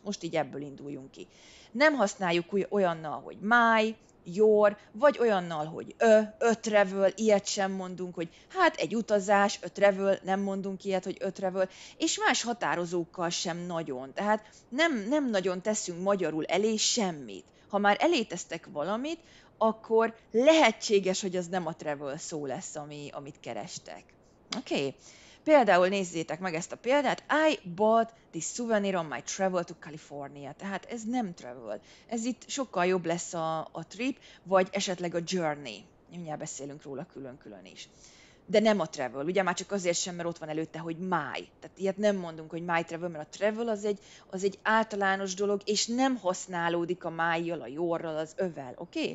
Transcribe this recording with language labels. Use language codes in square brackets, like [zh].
[hu] Most így ebből induljunk ki. Nem használjuk olyannal, hogy my, your, vagy olyannal, hogy a travel, ilyet sem mondunk, hogy hát egy utazás, a travel, nem mondunk ilyet, hogy a travel, és más határozókkal sem nagyon. Tehát nem nagyon teszünk magyarul elé semmit. Ha már elé tesztek valamit, akkor lehetséges, hogy az nem a travel szó lesz, amit kerestek. Oké. Például nézzétek meg ezt a példát. [en] I bought this souvenir on my travel to California. [hu] Tehát ez nem travel. Ez itt sokkal jobb lesz a trip, vagy esetleg a journey. Mindjárt beszélünk róla külön-külön is. De nem a travel. Ugye már csak azért sem, mert ott van előtte, hogy my. Tehát ilyet nem mondunk, hogy my travel, mert a travel az egy általános dolog, és nem használódik a my-jal, a your-ral, az övel. Oké?